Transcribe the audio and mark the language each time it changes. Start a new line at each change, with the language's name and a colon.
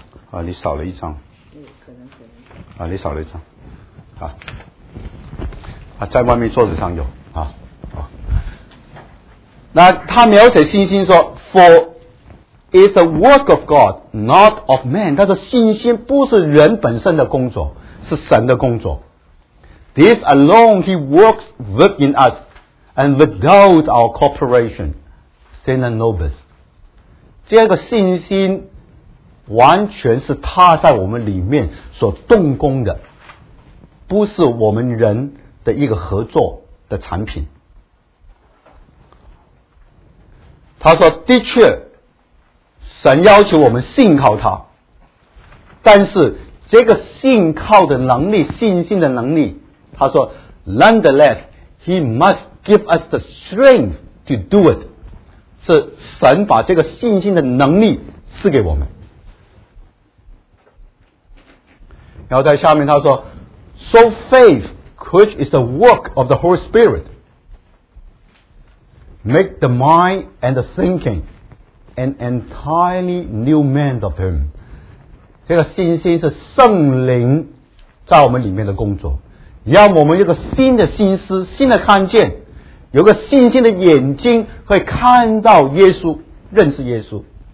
Chinese: 啊，你少了一张，可能啊，你少了一张啊。啊，在外面桌子上有啊，好。那他描写信心说
English: ，For is the work of God, not of man。
Chinese: 他说信心不是人本身的工作，是神的工作。
English: This alone He works within us, and without our cooperation, sin and nobles。
Chinese: 这个信心完全是他在我们里面所动工的，不是我们人的一个合作的产品。他说的确神要求我们信靠他，但是这个信靠的能力，信心的能力，他说
English: Nonetheless He must give us the strength to do it，
Chinese: 是神把这个信心的能力赐给我们。然后在下面他说
English: So faith which is the work of the Holy Spirit make the mind and the thinking an entirely new man of him。
Chinese: 这个信心是圣灵在我们里面的工作，让我们有个新的心思，新的看见，有个信心的眼睛可以看到耶稣，认识耶稣。